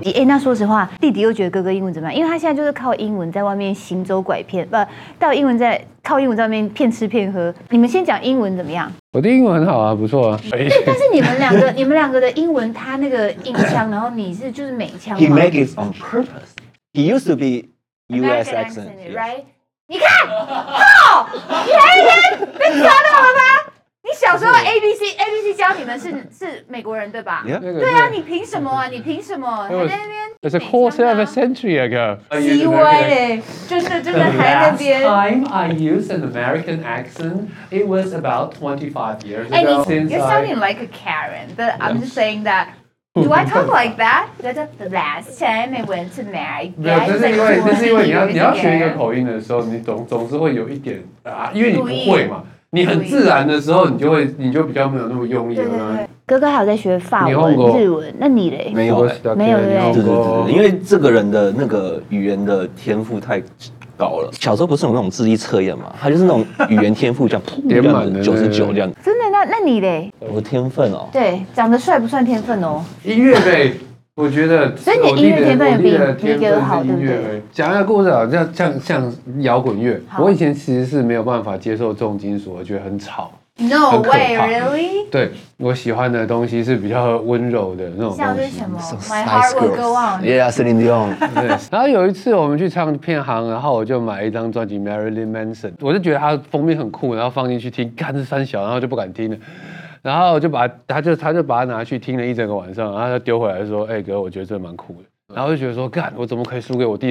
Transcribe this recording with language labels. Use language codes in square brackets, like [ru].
[zh] 哎、欸，那说实话，弟弟又觉得哥哥英文怎么样？因为他现在就是靠英文在外面行走拐骗，不，到英文在。靠英文在那边骗吃骗喝，你们先讲英文怎么样？我的英文很好啊，不错啊。对，但是你们两个的英文，他那个音腔，然后你是就是美腔。 [en] He makes it on purpose. He used to be U.S. accent, right? [zh] 你看，吼，黑人被抓到了吧？你小时候 ABC 教你们是美国人对吧？ [en] Yeah. [zh] 对啊，你凭什么啊？你凭什么？还在那边 [en] ？It's a quarter of a century ago. [zh] 奇怪嘞，真的还在那边。 [en] The last time I used an American accent, it was about 25 years ago. And you're sounding like a Karen, but I'm just saying that. Do I talk like that? The last time I went to America. [zh] 没有，这是因为，这是因为你要学一个口音的时候，你总是会有一点啊，因为你不会嘛，你很自然的时候，你就比较没有那么用力了。哥哥还有在学法文、日文，那你嘞？没有，没有，对，因为这个人的那个语言的天赋太。高了，小时候不是有那种智力测验嘛？他就是那种语言天赋，这样点满九十九这样。真的？那你嘞？我天分哦。对，长得帅不算天分哦。音乐呗，我觉得。所以你音乐天分也比你哥好，对不对？讲一下故事啊，像摇滚乐，我以前其实是没有办法接受重金属，我觉得很吵。 [en] No way, really? [zh] 对，我喜欢的东西是比较温柔的那种东西。像是什么 ？My Heart Will Go On。 [en] Yeah, Celine Dion。 [zh] 对。然后有一次我们去唱片行，然后我就买一张专辑 Marilyn Manson， 我就觉得它封面很酷，然后放进去听，干是三小，然后就不敢听了。然后我就把他就把它拿去听了一整个晚上，然后他丢回来说：“哎哥，我觉得这蛮酷的。” 然后就觉得说：“干，我怎么可以输给我弟？”